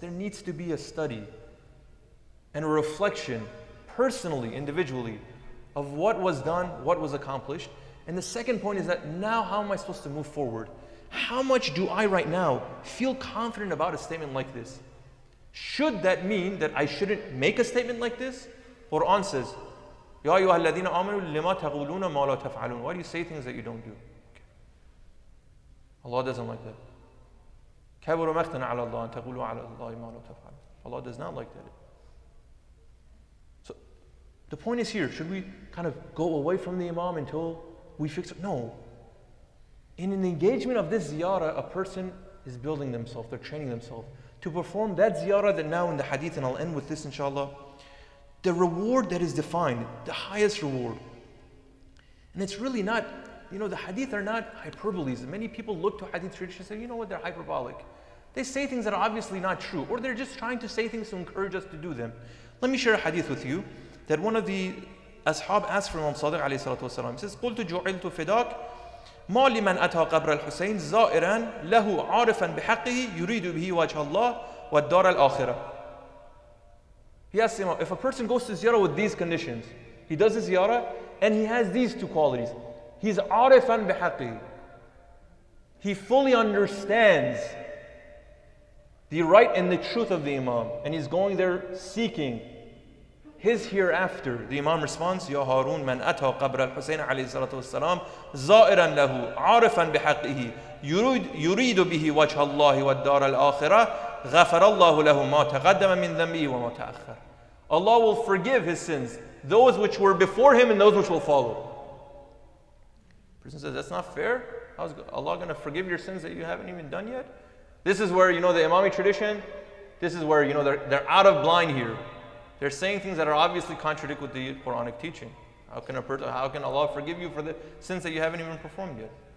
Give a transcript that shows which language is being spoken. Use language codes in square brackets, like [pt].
[en] There needs to be a study and a reflection, personally, individually, of what was done, what was accomplished. And the second point is that now how am I supposed to move forward? How much do I right now feel confident about a statement like this? Should that mean that I shouldn't make a statement like this? Quran says, [ar] يَا أَيُّهَا الَّذِينَ آمَنُوا لِمَا تَغُولُونَ مَا لَا تَفْعَلُونَ. [en] Why do you say things that you don't do? Okay. Allah doesn't like that. [ar] كَبُرُ مَقْتَنَ عَلَى اللَّهِ أَن تَغُولُوا عَلَى اللَّهِ مَا لَا تَفْعَلُونَ. [en] Allah does not like that. So the point is here, should we kind of go away from the Imam until we fix it? No. In an engagement of this ziyarah, a person is building themselves, they're training themselves to perform that ziyarah that now in the hadith, and I'll end with this inshallah, the reward that is defined, the highest reward. And it's really not, you know, the hadith are not hyperboles. Many people look to hadith tradition and say, you know what, they're hyperbolic. They say things that are obviously not true, or they're just trying to say things to encourage us to do them. Let me share a hadith with you that one of the ashab asked from Imam Sadiq alayhi salatu wasalam. He says, [ar] قُلْتُ جُعِلْتُ فِدَاكَ ما لمن أتى قبر الحسين زائرا له عارفا بحقه يريد به وجه الله والدار الآخرة. [en] He asks him, if a person goes to ziyarah with these conditions, he does the ziyarah and he has these two qualities, he's [ar] عارفا بحقه, [en] he fully understands the right and the truth of the Imam, and he's going there seeking his hereafter. The Imam responds, [ar] يَا هَارُونَ مَنْ أَتَى قَبْرَ الْحُسَيْنَ عَلَيْهِ صَلَاةُ وَالسَّلَامِ زَائِرًا لَهُ عَارِفًا بِحَقِّهِ يُرِيدُ بِهِ وَجْهَ اللَّهِ وَالدَّارَ الْآخِرَةِ غَفَرَ اللَّهُ لَهُ مَا تَقَدَّمَ مِنْ ذَنْبِهِ وَمَا تَأَخَّرَ. [en] Allah will forgive his sins, those which were before him and those which will follow. The person says, that's not fair. How is Allah going to forgive your sins that you haven't even done yet? This is where, you know, the Imami tradition, this is where, you know, they're out of blind here. They're saying things that are obviously contradict with the Quranic teaching. How can Allah forgive you for the sins that you haven't even performed yet?